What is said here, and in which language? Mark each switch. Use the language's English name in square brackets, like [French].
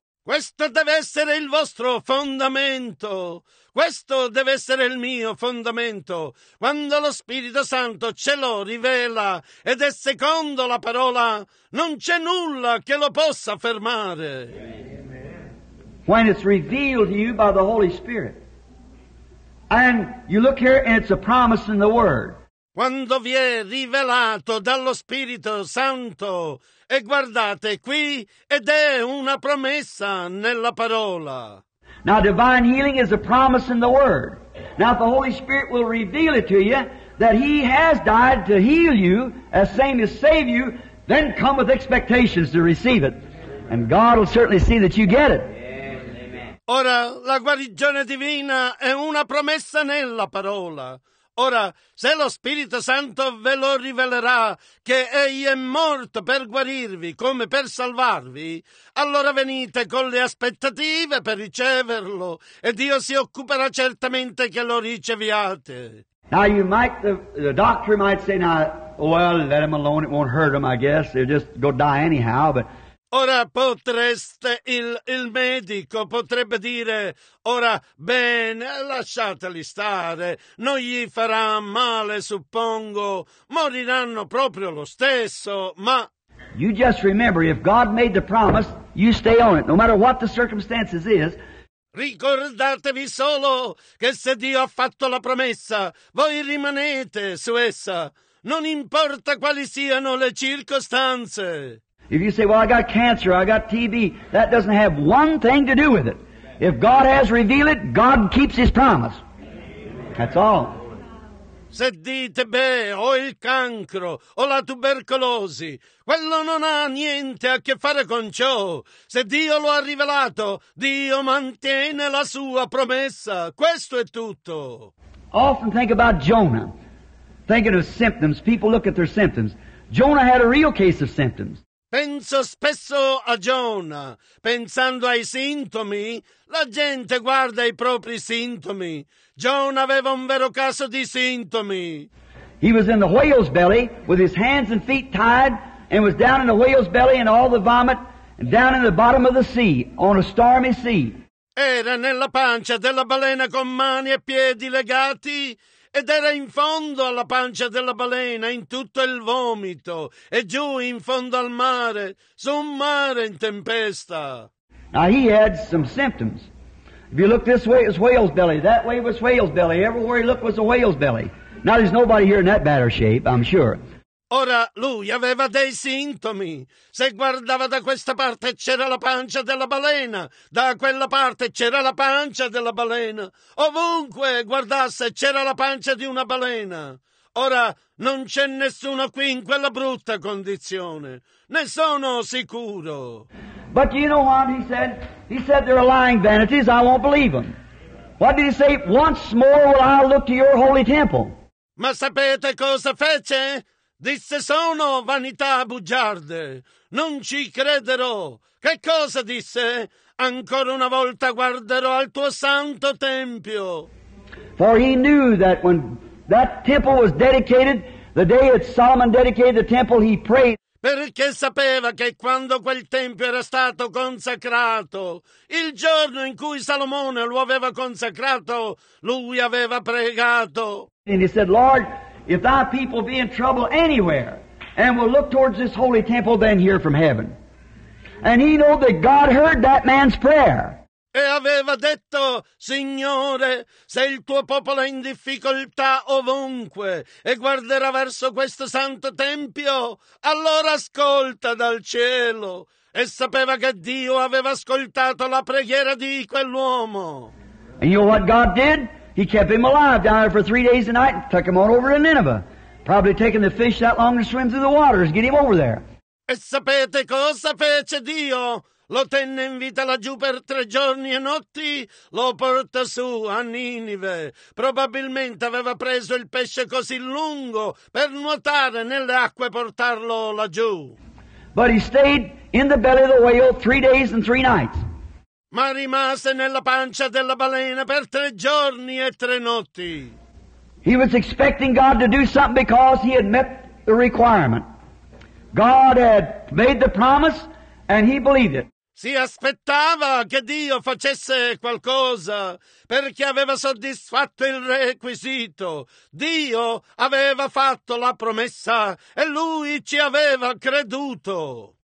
[Italian] Questo deve essere il vostro fondamento. Questo deve essere il mio fondamento. Quando lo Spirito Santo ce lo rivela ed è secondo la parola, non c'è nulla che lo possa fermare. Amen. [English] When it's revealed to you by the Holy Spirit, and you look here, and it's a promise in the Word. [Italian] Quando vi è rivelato dallo Spirito Santo, e guardate qui, ed è una promessa nella parola. [English] Now, divine healing is a promise in the Word. Now, if the Holy Spirit will reveal it to you, that He has died to heal you, as same as save you, then come with expectations to receive it. And God will certainly see that you get it. [Italian] Ora, la guarigione divina è una promessa nella parola. Ora, se lo Spirito Santo ve lo rivelerà che Egli è morto per guarirvi come per salvarvi, allora venite con le aspettative per riceverlo e Dio si occuperà certamente che lo riceviate. [English] Now you might, the doctor might say, now, well, let him alone, it won't hurt him, I guess, he'll just go die anyhow, but... [Italian] Ora potreste, il medico potrebbe dire, ora bene, lasciateli stare, non gli farà male, suppongo, moriranno proprio lo stesso, ma... [English] You just remember, if God made the promise, you stay on it, no matter what the circumstances is. [Italian] Ricordatevi solo che se Dio ha fatto la promessa, voi rimanete su essa, non importa quali siano le circostanze. [English] If you say, well, I got cancer, I got TB, that doesn't have one thing to do with it. If God has revealed it, God keeps His promise. That's all. [Italian] Se dite, beh, ho il cancro, ho la tubercolosi, quello non ha niente a che fare con ciò. Se Dio lo ha rivelato, Dio mantiene la sua promessa. Questo è tutto. [English] Often think about Jonah. Thinking of symptoms, people look at their symptoms. Jonah had a real case of symptoms. [Italian] Penso spesso a Giona, pensando ai sintomi, la gente guarda i propri sintomi. Giona aveva un vero caso di sintomi. [English] He was in the whale's belly with his hands and feet tied and was down in the whale's belly and all the vomit and down in the bottom of the sea on a stormy sea. [Italian] Era nella pancia della balena con mani e piedi legati. Ed era in fondo alla pancia della balena, in tutto il vomito, e giù in fondo al mare, su un mare in tempesta. [English] Now he had some symptoms. If you look this way, it was whale's belly. That way was whale's belly. Everywhere he looked was a whale's belly. Now there's nobody here in that batter shape, I'm sure. [Italian] Ora lui aveva dei sintomi. Se guardava da questa parte c'era la pancia della balena, da quella parte c'era la pancia della balena. Ovunque guardasse c'era la pancia di una balena. Ora non c'è nessuno qui in quella brutta condizione. Ne sono sicuro. [English] But you know what he said? He said they're lying vanities, I won't believe them. What did he say? Once more will I look to your holy temple. [Italian] Ma sapete cosa fece? Disse, sono vanità bugiarde, non ci crederò. Che cosa disse? Ancora una volta guarderò al tuo santo tempio. [English] For he knew that when that temple was dedicated, the day that Solomon dedicated the temple, he prayed. [Italian] Perché sapeva che quando quel tempio era stato consacrato, il giorno in cui Salomone lo aveva consacrato, lui aveva pregato. [English] And he said, Lord, if thy people be in trouble anywhere and will look towards this holy temple, then hear from heaven. And he knew that God heard that man's prayer. [Italian] E aveva detto, Signore, se il tuo popolo è in difficoltà ovunque e guarderà verso questo santo tempio, allora ascolta dal cielo. E sapeva che Dio aveva ascoltato la preghiera di quell'uomo. [English] And you know what God did? He kept him alive down there for 3 days and night and took him on over to Nineveh. Probably taking the fish that long to swim through the waters, get him over there. [Italian] E sapete cosa fece Dio? Lo tenne in vita laggiù per 3 giorni e notti, lo porta su a Ninive. Probabilmente aveva preso il pesce così lungo per nuotare nelle acque e portarlo laggiù. [English] But he stayed in the belly of the whale 3 days and 3 nights. [Italian] Ma rimase nella pancia della balena per 3 giorni e 3 notti. [English] He was expecting God to do something because he had met the requirement. God had made the promise and he believed it. [Italian] Si aspettava che Dio facesse qualcosa perché aveva soddisfatto il requisito. Dio aveva fatto la promessa e lui ci aveva creduto.